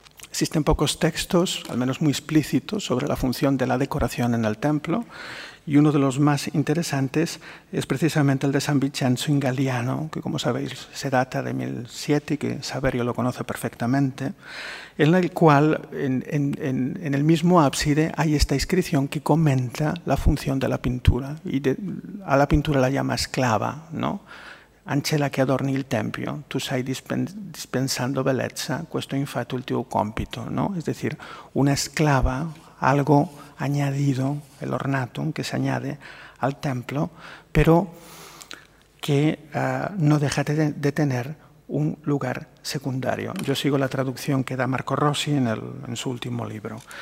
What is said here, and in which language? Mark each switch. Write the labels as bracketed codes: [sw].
[es] Existen pocos textos, al menos muy explícitos, sobre la función de la decoración en el templo, y uno de los más interesantes es precisamente el de San Vincenzo in Galliano, que como sabéis se data de 1007 y que Saverio lo conoce perfectamente, en el cual en el mismo ábside hay esta inscripción que comenta la función de la pintura, y a la pintura la llama esclava, ¿no? [it] Ancella che adorni il tempio, tu sei dispensando bellezza, questo infatti il tuo compito, ¿no? [es] Es decir, una esclava, algo añadido, el ornatum que se añade al templo, pero que no deja de tener un lugar secundario. Yo sigo la traducción que da Marco Rossi en su último libro.